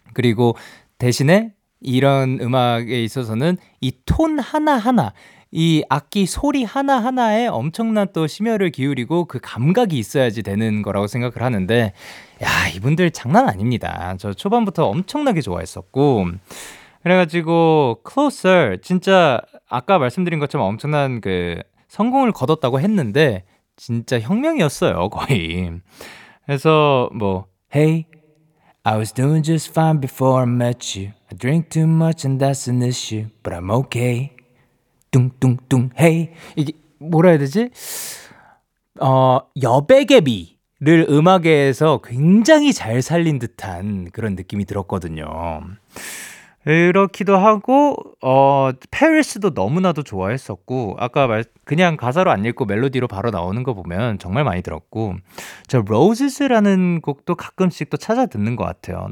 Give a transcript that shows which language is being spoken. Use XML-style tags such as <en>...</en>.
<ko>그리고 대신에 이런 음악에 있어서는 이 톤 하나하나 이 악기 소리 하나하나에 엄청난 또 심혈을 기울이고 그 감각이 있어야지 되는 거라고 생각을 하는데 야 이분들 장난 아닙니다. 저 초반부터 엄청나게 좋아했었고 그래가지고 Closer 진짜 아까 말씀드린 것처럼 엄청난 그 성공을 거뒀다고 했는데 진짜 혁명이었어요 거의. 그래서 뭐</ko> <en>Hey I was doing just fine before I met you I drink too much and that's an issue but I'm okay</en> <ko>뚱뚱뚱 헤이 이게 뭐라 해야 되지? 여백의 미를 음악에서 굉장히 잘 살린 듯한 그런 느낌이 들었거든요. 이렇기도 하고 페리스도 너무나도 좋아했었고 아까 그냥 가사로 안 읽고 멜로디로 바로 나오는 거 보면 정말 많이 들었고 저 로즈스라는 곡도 가끔씩 또 찾아 듣는 것 같아요.</ko>